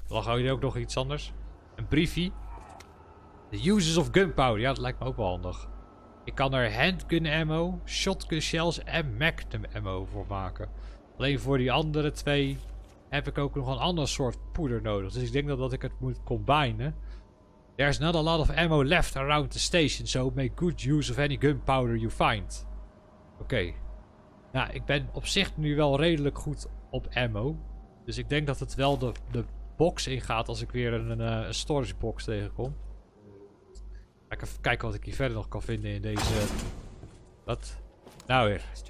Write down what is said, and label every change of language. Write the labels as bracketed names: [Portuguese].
[Dutch] Lag hier ook nog iets anders? Een briefie. [English] The uses of gunpowder. [Dutch] Ja, dat lijkt me ook wel handig. Ik kan er handgun ammo, shotgun shells en magnum ammo voor maken. Alleen voor die andere twee heb ik ook nog een ander soort poeder nodig. Dus ik denk dat ik het moet combinen. [English] There's not a lot of ammo left around the station, so make good use of any gunpowder you find. [Dutch] Oké. Okay. Nou, ik ben op zich nu wel redelijk goed op ammo. Dus ik denk dat het wel de box ingaat als ik weer een storage box tegenkom. Even kijken wat ik hier verder nog kan vinden in deze... Wat? Nou weer.